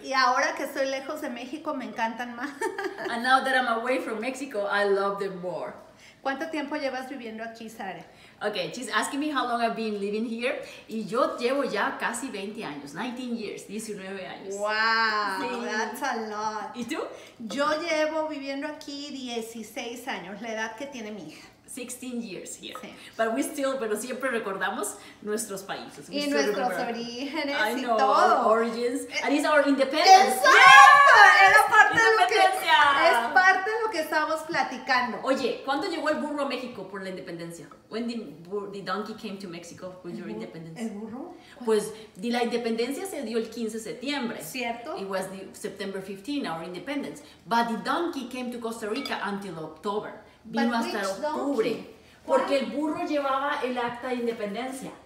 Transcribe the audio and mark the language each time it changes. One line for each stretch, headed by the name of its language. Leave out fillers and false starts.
Spanish: Y ahora que estoy lejos de México, me encantan más.
English: And now that I'm away from Mexico, I love them more.
Spanish: ¿Cuánto tiempo llevas viviendo aquí, Sara?
English: Okay, she's asking me how long I've been living here.
Spanish: Y yo llevo ya casi 20 años, 19 years, 19 años.
English: Wow, sí. That's a lot.
Spanish: ¿Y tú? Yo llevo viviendo aquí 16 años, la edad que tiene mi hija.
English: 16 years here. Sí. But we still, pero siempre recordamos nuestros países. We
Spanish: y
English: still
Spanish: nuestros remember. Orígenes
English: I
Spanish: y
English: know,
Spanish: todo.
English: Our origins. And it's our independence.
Spanish: ¡Exacto! Yes! Era parte de lo que, es parte de lo que estábamos platicando. Oye, ¿cuándo llegó el burro a México por la independencia?
English: When the donkey came to Mexico for your independence.
Spanish: ¿El burro? Pues, la independencia se dio el 15 de septiembre. ¿Cierto?
English: It was the September 15, our independence. But the donkey came to Costa Rica until October.
Spanish: Vino hasta octubre. Porque el burro llevaba el acta de independencia.